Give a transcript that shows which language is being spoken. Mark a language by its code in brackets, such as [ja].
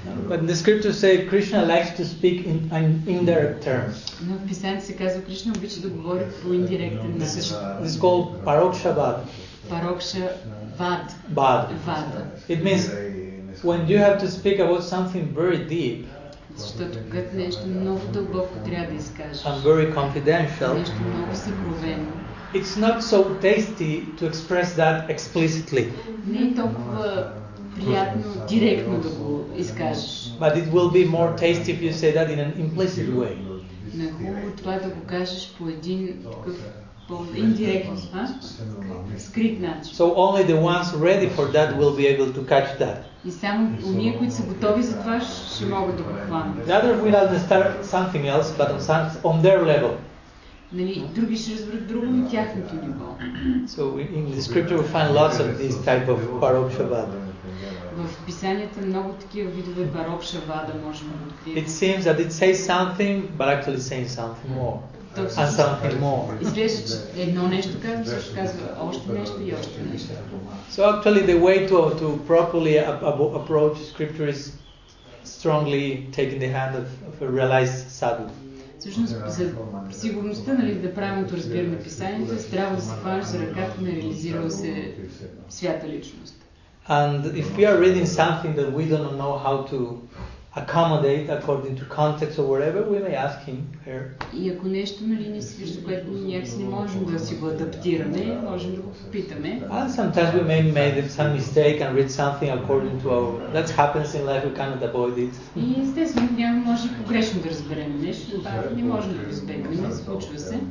[en] But the scriptures say Krishna likes to speak in an indirect terms. [bg] Но в писанието се казва Кришна обича да говори по индиректен начин. [en] This is called Parokshavad. Vad. Parokshavad. Vad. Vad. It means when you have to speak about something very deep. [bg] Защото когато нещо много дълбоко трябва да изкажеш. [en] And very confidential. [bg] Нещо много съкровено. [en] It's not so tasty to express that explicitly. [bg] Не толкова приятно директно да го изкажеш. [en] But it will be more tasty if you say that in an implicit way. [bg] Не хубаво това да го кажеш по един такъв по-индиректен, скрит начин. [en] So only the ones ready for that will be able to catch that. [bg] И само оние, които са готови за това, ще могат да го хванат. [en] The other will understand something else, but on their level. [bg] Нали, други ще разберат друго на тяхното ниво. [en] So in the scripture we find lots of this type of parokshavad. [bg] В писанията много такива видове парокшавада можем да открием. [en] It seems that it says something, but actually saying something more. And something more. [bg] Изглежда, че едно нещо казва, също казва още нещо и още нещо. [en] So actually the way to properly approach scripture is strongly taking the hand of a realized sadhu. [bg] Всъщност, за сигурността, нали, да правилното разбираме писанието, трябва да се хванеш за ръката на реализирала се свята личност. [en] And if we are reading something that we don't know how to accommodate according to context or whatever, we may ask him here. [bg] И ако нещо, нали, не свиждаш, което някакси не можем да си го адаптираме, можем да го попитаме. [en] And sometimes we may make some mistake and read something according to our... That happens in life, we cannot avoid it. [bg] И естествено, няма може погрешно да разберем нещо, не можем да го избегнем, случва се.